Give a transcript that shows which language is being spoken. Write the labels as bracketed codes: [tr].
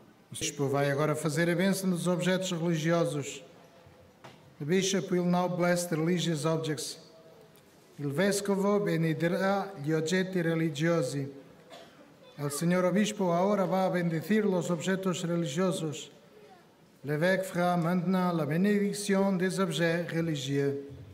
[pt] O bispo vai agora fazer a bênção dos objetos religiosos. [en] The bishop will now bless the religious objects. [it] Il vescovo benedirà gli oggetti religiosi. Il signor bispo ora va a benedire gli oggetti religiosi. [fr] L'évêque fera maintenant la bénédiction des objets religieux.